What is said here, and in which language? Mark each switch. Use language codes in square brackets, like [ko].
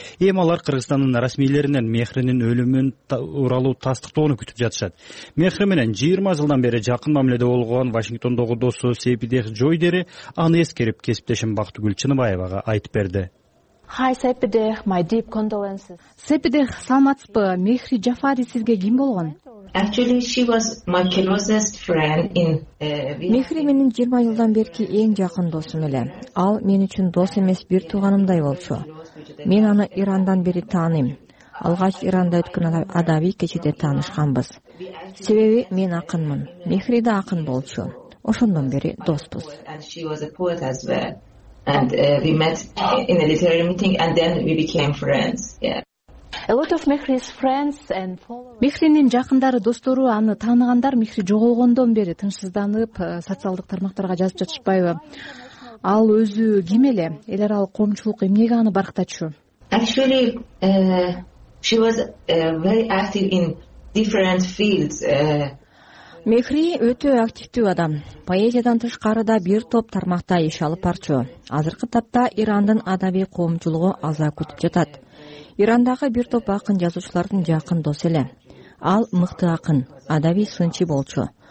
[ky] Эми алар Кыргызстандын расмийлеринен Мехринин өлүмүн тууралуу тастыктоону күтүп жатышат. Мехри менен 20 жылдан бери жакын мамиледе болгон Вашингтондогу досу Сейпидех Джойдери аны эскерип кесиптешим Бактыгүл Чыныбаевага айтып берди. [en] Hi Sepideh, my deep condolences. [ky] Sepideh, саламатсызбы? Мехри Жафари сизге ким болгон? [en] Actually, she was my closest friend in [ky] Мехри менин 20 жылдан берки эң жакын досум эле. Ал мен үчүн дос эмес, бир туугандай болчу. Мен аны Ирандан бери тааныйм. Алгач Иранда өткөн адабий кечеде таанышканбыз. Себеби мен акынмын. Мехри да акын болчу. Ошондон бери доспуз. [en] And we met in a literary meeting and then we became friends. Yeah. A lot of Mehri's friends and followers. [ky] Mehri'nin жакындары, достору аны таанагандар Mehri жоголгондон бери тынчсызданып, социалдык тармактарга жазып жатышпайбы? Ал өзү ким эле? Эл аралык коомчулук эмнеге аны барктачу? [en] Actually, she was very active in different fields. [ky] Мехри өтө активдүү адам. Поэзиядан тышкары да бир топ тармакта иш алып барчу. Азыркы тапта Ирандын адабий коомчулугу аза күтүп жатат. Ирандагы бир топ акын жазуучулардын жакын досу эле. Ал мыкты акын, адабий сынчы болчу.